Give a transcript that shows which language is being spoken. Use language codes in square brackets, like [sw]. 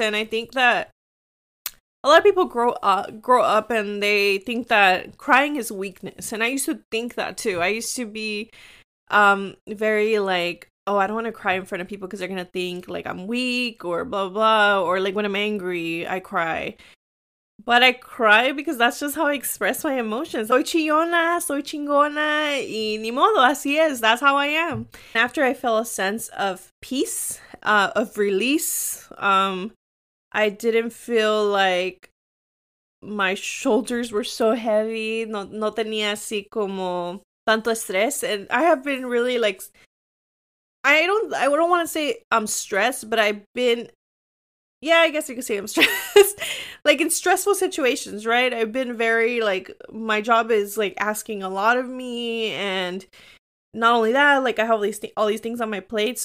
[en] And I think that a lot of people grow up and they think that crying is weakness. And I used to think that too. I used to be very like, oh, I don't want to cry in front of people because they're going to think like I'm weak or blah, blah, or like when I'm angry, I cry. But I cry because that's just how I express my emotions. [es] Soy chillona, soy chingona, y ni modo, así es. [en] That's how I am. After I felt a sense of peace, of release, I didn't feel like my shoulders were so heavy. [es] No tenía así como tanto estrés. [en] And I have been really like, I don't want to say I'm stressed, but I've been, yeah, I guess you could say I'm stressed. Like, in stressful situations, right? I've been very like, my job is like asking a lot of me. And not only that, like, I have all these things on my plate.